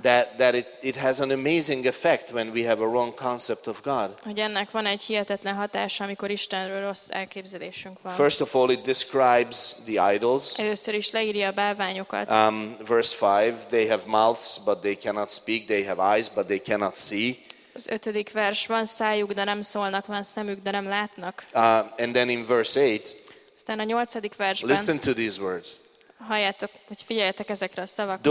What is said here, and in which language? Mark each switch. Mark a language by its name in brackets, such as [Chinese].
[English] That it has an amazing effect when we have a wrong concept of God. [Hungarian] Hogy ennek van egy hihetetlen hatása, amikor Istenről rossz elképzelésünk van. [English] First of all, it describes the idols. [Hungarian] Először is leírja a bálványokat. [English] Verse 5, they have mouths but they cannot speak, they have eyes but they cannot see. [Hungarian] Az ötödik vers, van szájuk, de nem szólnak, van szemük, de nem látnak. [English] And then in verse 8, [Hungarian] aztán a nyolcadik versben, [English] listen to these words. [Hungarian] Halljátok, hogy figyeljetek ezekre a szavakra.